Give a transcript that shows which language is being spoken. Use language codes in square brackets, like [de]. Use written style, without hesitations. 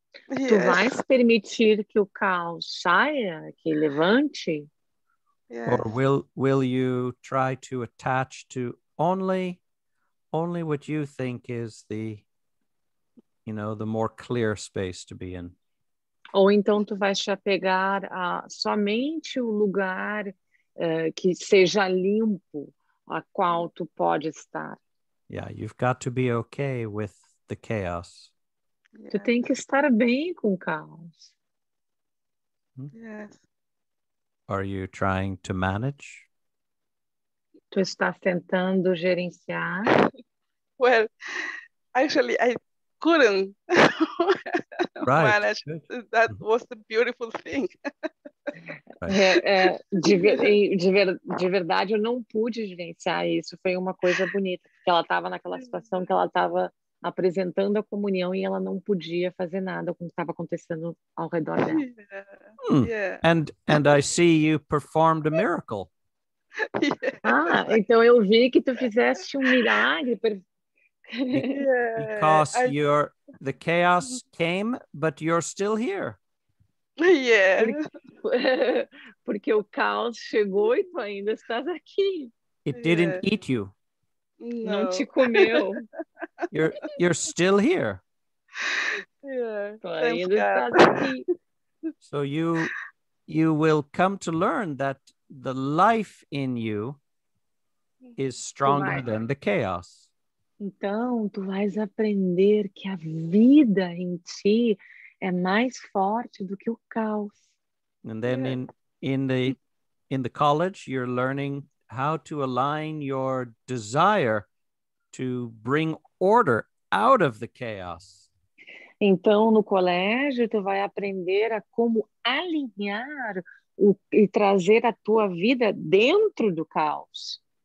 [pt] Yes. Tu vais permitir que o caos saia, que levante? Yes. [en] Or will you try to attach to only what you think is the, you know, the more clear space to be in? [pt] Ou então tu vais te apegar a somente o lugar que seja limpo, a qual tu pode estar? [en] Yeah, you've got to be okay with the chaos. [pt] Tu tem que estar bem com o caos. Yes. [en] Are you trying to manage? [pt] Tu estás tentando gerenciar? [en] Well, actually, I couldn't right. manage. That was the beautiful thing. [pt] De verdade, eu não pude gerenciar isso. Foi uma coisa bonita. Porque ela estava naquela situação que ela estava apresentando a comunhão e ela não podia fazer nada com o que estava acontecendo ao redor dela. Yeah. Hmm. Yeah. [en] And I see you performed a miracle. Yeah. [pt] Ah, então eu vi que tu fizeste um milagre. [en] Because the chaos came, but you're still here. Yeah. [pt] Porque o caos chegou e tu ainda estás aqui. [en] It didn't yeah. eat you. No. [pt] Não te comeu. [en] You're still here. Yeah. [pt] Ainda estás aqui. [en] So you will come to learn that the life in you is stronger than the chaos. [pt] Então, tu vais aprender que a vida em ti é mais forte do que o caos. [en] And then in the college, you're learning how to align your desire to bring order out of the chaos. [pt] Então, no colégio, tu vai aprender a como alinhar e trazer a tua vida dentro do caos.